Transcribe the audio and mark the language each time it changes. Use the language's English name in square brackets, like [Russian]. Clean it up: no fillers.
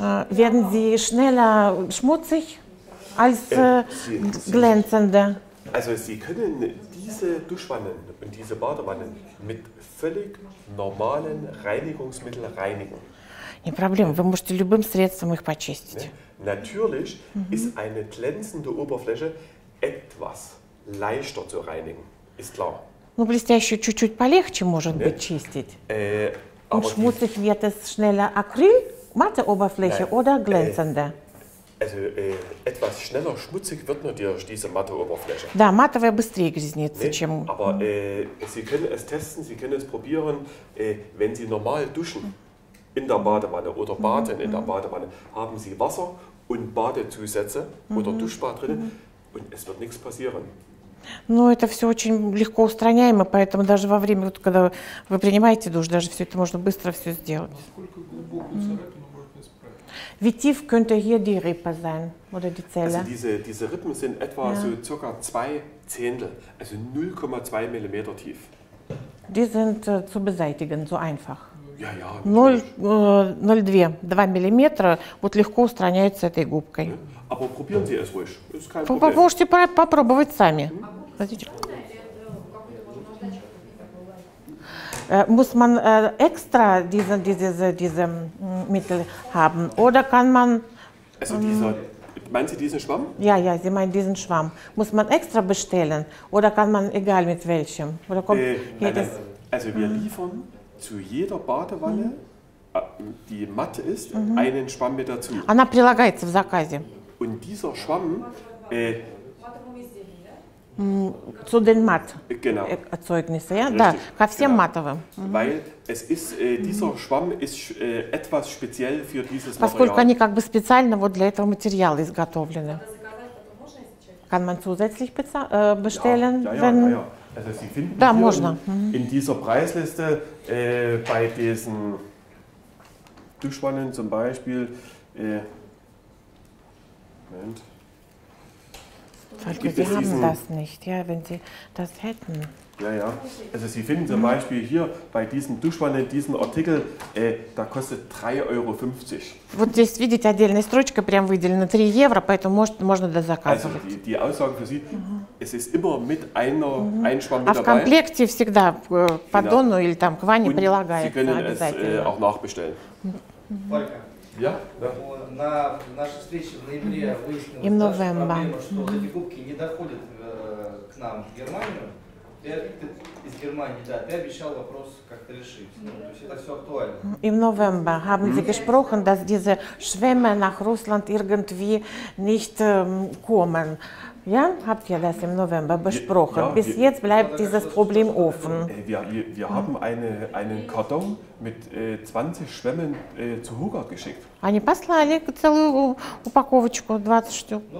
[German] Werden Sie schneller schmutzig als glänzende? Also Sie können diese Duschwannen und diese Badewannen mit völlig normalen Reinigungsmitteln reinigen. [Russian] Не проблема, вы можете любым средством их почистить. [German] Natürlich ist eine glänzende Oberfläche etwas leichter zu reinigen, ist klar. [Russian] Ну блестящую чуть-чуть полегче может быть чистить. [German] Und schmutzig wird es schneller Acryl, matte Oberfläche oder glänzende? Also etwas schneller schmutzig wird natürlich diese matte Oberfläche. [Russian] Да, матовая быстрее грязнится, nee, чем... [German] Aber Sie können es testen, Sie können es probieren, wenn Sie normal duschen in der Badewanne oder baden in der Badewanne, haben Sie Wasser und Badezusätze oder Duschbad drin und es wird nichts passieren. [Russian] Ну, это все очень легко устраняемо, поэтому даже во время, вот, когда вы принимаете душ, даже все это можно быстро все сделать. Насколько глубокую царапину [German] Wie tief könnte hier die Rippe sein oder die Zelle? Also diese Rippen sind etwa so ca. 2 Zehntel, also 0,2 mm tief. Die sind zu beseitigen, so einfach. Ja, ja. 0,2 mm wird [Russian] легко устраняется этой губкой. [German] Aber probieren Sie es ruhig. Ist kein Problem. [Russian] Можете попробовать сами. [German] Muss man extra diese Mittel haben oder kann man... Also meinen Sie diesen Schwamm? Ja, Sie meinen diesen Schwamm. Muss man extra bestellen oder kann man, egal mit welchem? Oder kommt jedes? Also wir liefern zu jeder Badewanne, die matt ist, einen Schwamm mit dazu. [Russian] Она прилагается в заказе. [German] Und dieser Schwamm... zu den Matt-Erzeugnissen, genau. Ja, richtig. Da, ganz genau. Mattere. Weil es ist, dieser Schwamm ist etwas speziell für dieses [Russian] Поскольку Поскольку они как бы специально вот для этого материала изготовлены. [German] Kann man zusätzlich bestellen? Also Sie finden [Russian] da, можно. [German] In dieser Preisliste bei diesen Duschwannen zum Beispiel, Moment. Falco, Sie haben das nicht, ja, wenn Sie das hätten. Ja, ja. Also Sie finden zum Beispiel hier bei diesen Duschwannen diesen Artikel, da kostet 3,50 Euro. [Russian] Вот здесь видите отдельная строчка прям выделена 3 евро, поэтому можно да заказывать. [German] Also die Aussage für Sie, es ist immer mit einer ein Schwamm mit dabei. [Russian] А в комплекте всегда поддону или там к ванне прилагается. [German] Sie können es auch nachbestellen. Ja, ja. [Russian] На нашей встрече в ноябре выяснилось, что проблема, что эти губки не доходят к нам в Германию. Из Германии, да, ты обещал вопрос как-то решить. Ну, то есть это все актуально. [German] Im November haben Sie gesprochen, dass diese Schwämme nach Russland irgendwie nicht kommen. Ja, habt ihr das im November besprochen? Ja, jetzt bleibt dieses Problem offen. Wir haben einen Karton mit 20 Schwämmen zu Hogarth geschickt. [Russian] Они послали целую упаковочку 20 штук.